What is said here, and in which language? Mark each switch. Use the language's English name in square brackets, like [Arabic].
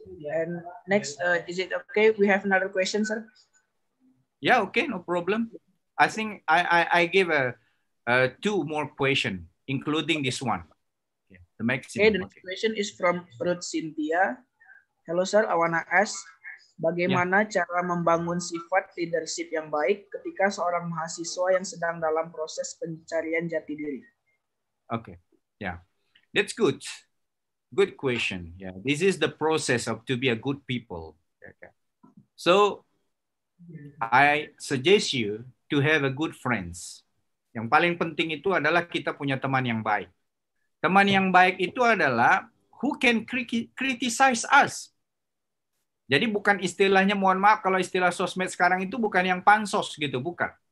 [English] And next, is it okay? We have another question, sir. Yeah, okay, no problem. I think I give a two more question, including this one. Okay, the maximum. Okay, the next question is from Ruth Cynthia. Hello, sir. I wanna ask, [Indonesian] bagaimana cara membangun sifat leadership yang baik ketika seorang mahasiswa yang sedang dalam proses pencarian jati diri? [English] Okay, yeah. That's good. Good question. Yeah, this is the process of to be a good people. Okay. So I suggest you to have a good friends. [Indonesian] Yang paling penting itu adalah kita punya teman yang baik. Teman yang baik itu adalah [English] who can criticize us. [Indonesian] Jadi bukan istilahnya, mohon maaf kalau istilah sosmed sekarang itu bukan yang pansos gitu, bukan.